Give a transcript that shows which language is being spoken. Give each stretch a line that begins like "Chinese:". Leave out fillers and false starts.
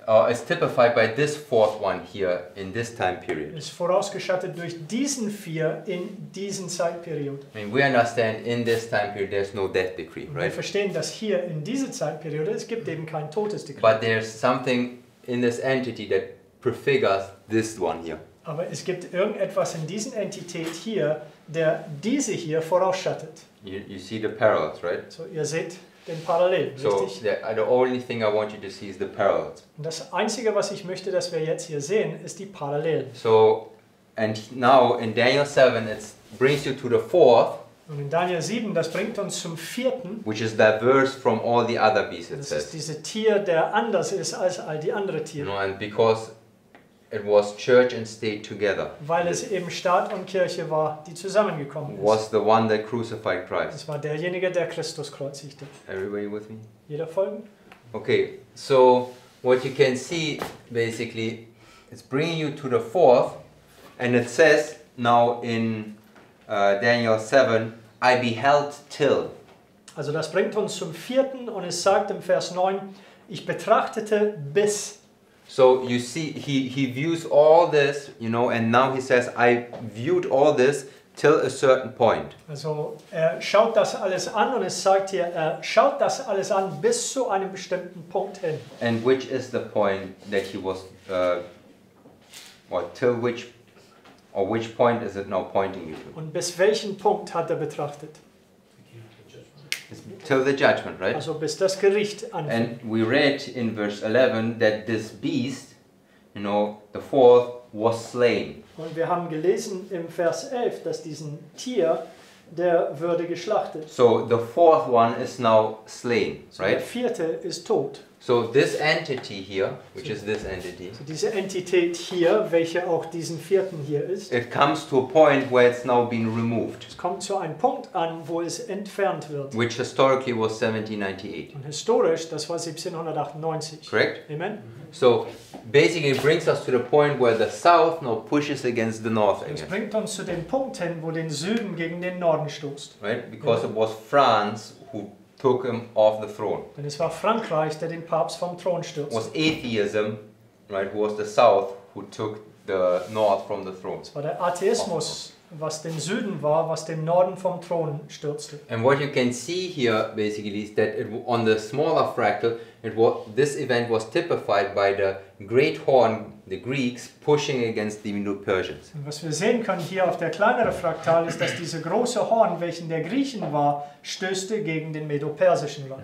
English: Is typified by this fourth one here in this time period.
German: Ist vorausgeschattet durch diesen vier in diesen Zeitperiode.
English: I mean, we understand in this time period there's no death decree, right?
German: Wir verstehen, dass hier in dieser Zeitperiode es gibt eben kein Todesdekret.
English: But there's something in this entity that prefigures this one here.
German: Aber es gibt irgendetwas in diesen Entität hier, der diese hier vorausschattet.
English: You see the parallels, right?
German: So ihr seht den Parallel, so richtig?
English: So the only thing I want you to see is the parallels.
German: Und das Einzige, was ich möchte, dass wir jetzt hier sehen, ist die Parallelen.
English: So, and now in Daniel 7, it brings you to the fourth.
German: Und in Daniel 7, das bringt uns zum vierten.
English: Which is diverse from all the other beasts, it
German: das
English: says.
German: Das ist dieses Tier, der anders ist als all die anderen Tiere.
English: No, and because it was church and state together.
German: Weil es eben Staat und Kirche war, die zusammengekommen ist.
English: Was the one that crucified Christ.
German: Es war derjenige, der Christus kreuzigte.
English: Everybody with me?
German: Jeder folgen?
English: Okay, so what you can see, basically, it's bringing you to the fourth, and it says now in Daniel 7, I beheld till.
German: Also das bringt uns zum vierten, und es sagt im Vers 9, ich betrachtete bis.
English: So you see, he views all this, you know, and now he says, I viewed all this till a certain point.
German: Also er schaut das alles an und es sagt hier, er schaut das alles an bis zu einem bestimmten Punkt hin.
English: And which is the point that he was, which point is it now pointing you to?
German: Und bis welchen Punkt hat er betrachtet?
English: Till the judgment, right?
German: Also bis das Gericht anfängt.
English: And we read in verse 11 that this beast, you know, the fourth, was slain.
German: Und wir haben gelesen im Vers 11, dass diesen Tier, der würde geschlachtet.
English: So the fourth one is now slain, right?
German: Der vierte ist tot.
English: So this entity here, which is this entity.
German: So diese Entität hier, welche auch diesen vierten hier ist.
English: It comes to a point where it's now been removed.
German: Es kommt zu einem Punkt an, wo es entfernt wird.
English: Which historically was 1798.
German: Und historisch, das war 1798.
English: Correct. Amen. So basically it brings us to the point where the south now pushes against the north again.
German: Es bringt uns zu dem Punkt hin, wo den Süden gegen den Norden stoßt.
English: Right, because it was France who took him off the throne.
German: Denn es war Frankreich, der den Papst vom Thron stürzte.
English: It was atheism, right, who was the south who took the north from the throne.
German: Es war der Atheismus, was den Süden war, was den Norden vom Thron stürzte.
English: And what you can see here basically is that it, on the smaller fractal, it was, this event was typified by the great horn, the Greeks pushing against the Indo-Persians.
German: Und was wir sehen können hier auf der kleinere Fraktal ist, dass diese große Horn, welchen der Griechen war, stößte gegen den Medo-Persischen Land.